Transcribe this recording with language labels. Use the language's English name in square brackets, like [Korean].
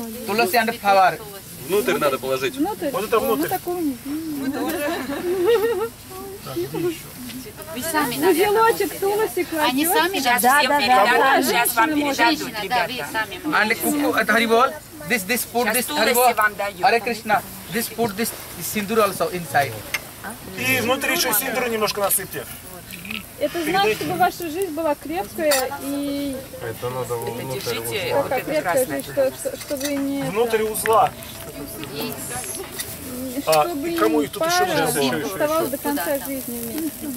[English] Tulasi and flower. [Russian] Внутрь надо положить. Внутрь? Вот это внутрь. Вы сами, наверное, узелочек, тулоси кладете. Они сами сейчас всем передадут. Сейчас вам передадут, ребята. [English] And куку, Арибол, this put this, Арибол. Hare Krishna, this put this sindur also inside. [Russian] И внутри еще синдуру немножко насыпьте. Это значит, чтобы ваша жизнь была крепкая и... Это надо внутрь узла. Вот это красное. Чтобы не... Внутрь узла. Чтобы не пара не оставалась до конца жизни.